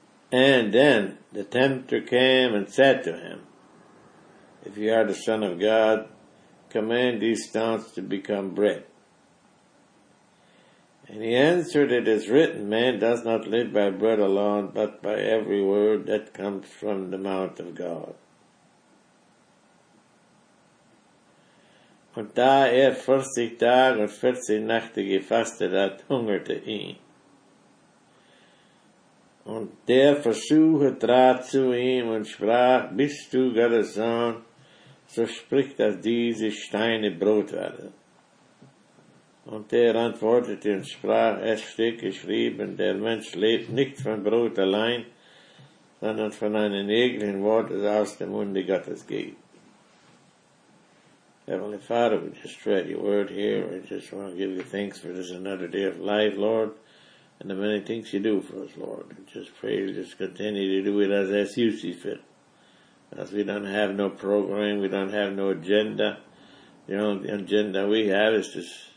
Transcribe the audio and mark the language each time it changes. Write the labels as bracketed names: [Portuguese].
[English] And then the tempter came and said to him, if you are the Son of God, command these stones to become bread. And he answered, it is written, man does not live by bread alone, but by every word that comes from the mouth of God. [German] Und da 40 Tage und 40 Nächte gefastet hat, hungerte ihn. Und der Versucher trat zu ihm und sprach, bist du Gottes Sohn, so sprich, dass diese Steine Brot werden. Und er antwortete und sprach, es steht geschrieben, der Mensch lebt nicht von Brot allein, sondern von einem jeglichen Wort, das aus dem Munde Gottes geht. [English] Heavenly Father, we just read your word here. We just want to give you thanks for this another day of life, Lord, and the many things you do for us, Lord. We just pray you just continue to do it as you see fit. As we don't have no program, we don't have no agenda. The only agenda we have is just